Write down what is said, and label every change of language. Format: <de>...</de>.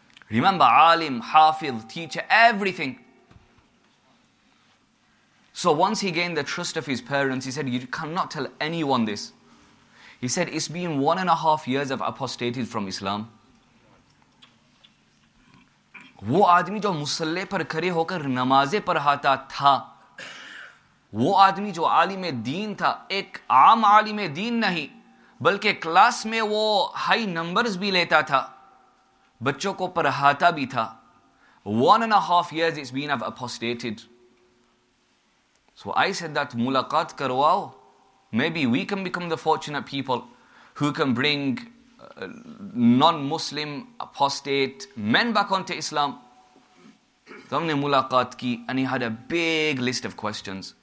<en>Remember, alim, hafidh, teacher, everything. So once he gained the trust of his parents, he said, you cannot tell anyone this. He said, it's been 1.5 years I've apostated from Islam.</en> <ur>وہ آدمی جو مسلح پر کھڑے ہو کر نمازیں پڑھاتا تھا, وہ آدمی جو عالم دین تھا, ایک عام عالم دین نہیں بلکہ کلاس میں وہ ہائی نمبرز بھی لیتا تھا, بچوں کو پڑھاتا بھی تھا.</ur> <en>1.5 years it's been I've apostated. So I said that</en> <ur>ملاقات کرواؤ,</ur> <en>maybe we can become the fortunate people who can bring non-Muslim apostate men back onto Islam. So we had a mulaqat and he had a big list of questions.</en>